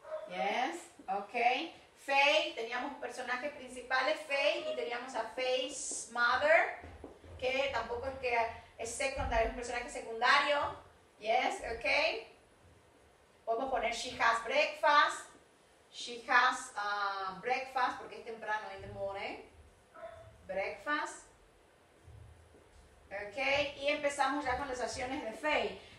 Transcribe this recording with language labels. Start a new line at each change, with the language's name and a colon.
Spanish: Yes, okay. Faye, teníamos personajes principales, Faye, y teníamos a Faye's mother, que tampoco es que es secundario, es un personaje secundario. Yes, okay. Podemos poner
English: she has breakfast. She has breakfast,
Spanish: porque es temprano
English: in the morning. Breakfast.
Spanish: Okay, y empezamos ya con las acciones de Faye.